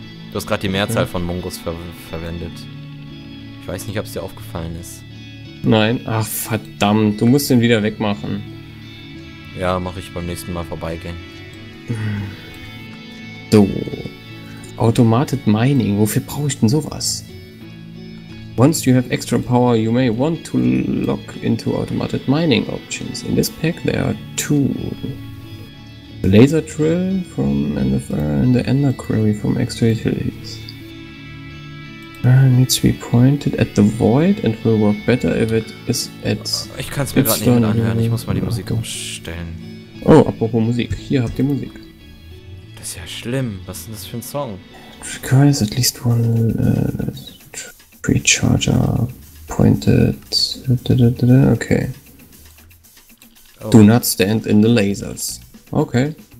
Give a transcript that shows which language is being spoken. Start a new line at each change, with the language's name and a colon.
German: Du hast gerade die Mehrzahl von Mongos verwendet. Ich weiß nicht, ob es dir aufgefallen ist. Nein. Ach, verdammt. Du musst den wieder wegmachen. Ja, mach ich beim nächsten Mal vorbeigehen.
English: So. Automated Mining.
German: Wofür brauche ich denn sowas?
English: Once you have extra power, you may want to lock into automated mining options. In this pack there are two. The laser drill from NFR and the ender query from extra utilities. Needs to be pointed at the void and will work better if it is at...
German: Ich kann es mir gerade nicht mehr anhören, ich muss mal die Musik umstellen. Oh, apropos Musik, hier habt ihr Musik. Das ist ja schlimm, was ist denn das für ein Song?
English: Requires at least one... Precharger pointed. Okay. Oh. Do not stand in the lasers. Okay.